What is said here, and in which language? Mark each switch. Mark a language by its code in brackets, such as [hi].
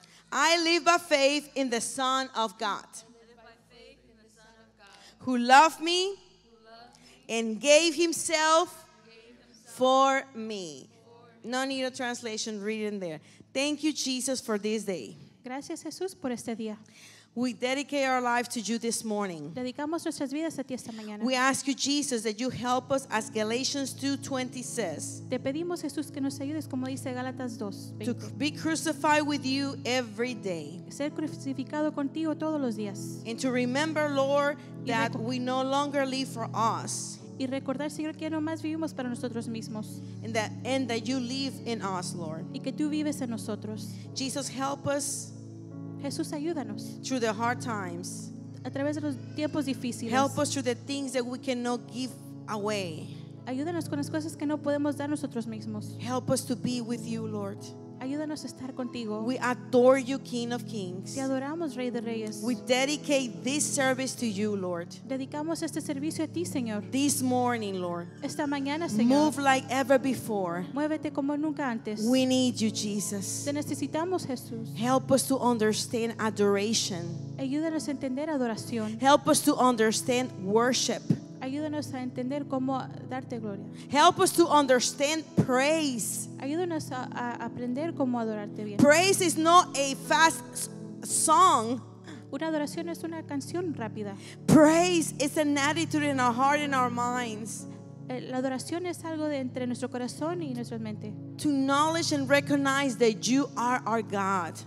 [en] I live by faith in the Son of God, who loved me and gave himself for me. No need a translation, read it in there. Thank you, Jesus, for this day. [es] Gracias, Jesús, por este día. [en] We dedicate our life to you this morning. [es] Dedicamos nuestras vidas a ti esta mañana. [en] We ask you, Jesus, that you help us, as Galatians 2:20 says. [es] Te pedimos, Jesús, que nos ayudes, como dice Gálatas 2:20. [en] To be crucified with you every day. [es] Ser crucificado contigo todos los días. [en] And to remember, Lord, that we no longer live for us. [es] Y recordar, Señor, que no más vivimos para nosotros mismos. [en] And that you live in us, Lord. [es] Y que tú vives en nosotros. [en] Jesus, help us. [es] Jesús, ayúdanos. [en] Through the hard times. [es] A través de los tiempos difíciles. [en] Help us through the things that we cannot give away. [es] Ayúdanos con las cosas que no podemos dar nosotros mismos. [en] Help us to be with you, Lord. [es] Ayúdanos a estar contigo. [en] We adore you, King of Kings. [es] Te adoramos, Rey de Reyes. [en] We dedicate this service to you, Lord. [es] Dedicamos este servicio a ti, Señor. [en] This morning, Lord. [es] Esta mañana, Señor. [en] Move like ever before. [es] Muévete como nunca antes. [en] We need you, Jesus. [es] Te necesitamos, Jesús. [en] Help us to understand adoration. [es] Ayúdanos a entender adoración. [en] Help us to understand worship. [es] Ayúdanos a entender cómo darte gloria. [en] Help us to understand praise. [es] Ayúdanos a aprender cómo adorarte bien. [en] Praise is not a fast song. [es] Una adoración es una canción rápida. [en] Praise is an attitude in our heart and our minds. [es] La adoración es algo de entre nuestro corazón y nuestra mente. [en] To acknowledge and recognize that you are our God.